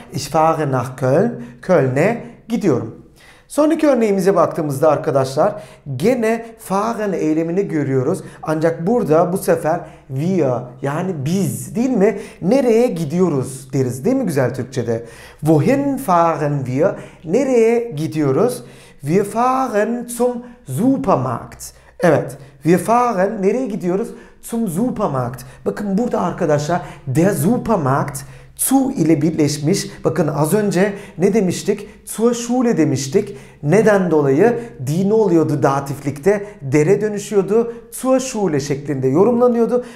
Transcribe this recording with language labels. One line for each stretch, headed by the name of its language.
German: Ich fahre nach Köln.
Turkish: Köln'e gidiyorum. Sonraki örneğimize baktığımızda arkadaşlar gene fahren eylemini görüyoruz. Ancak burada bu sefer wir, yani biz, değil mi? Nereye gidiyoruz deriz, değil mi güzel Türkçe'de?
German: Wohin fahren wir?
Turkish: Nereye gidiyoruz?
German: Wir fahren zum Supermarkt.
Turkish: Evet,
German: wir fahren
Turkish: nereye gidiyoruz? Zum Supermarkt. Bakın burada arkadaşlar der Supermarkt zu ile birleşmiş. Bakın az önce ne demiştik? Zur Schule demiştik. Neden dolayı? Die ne oluyordu datiflikte? Dere dönüşüyordu. Zur Schule şeklinde yorumlanıyordu.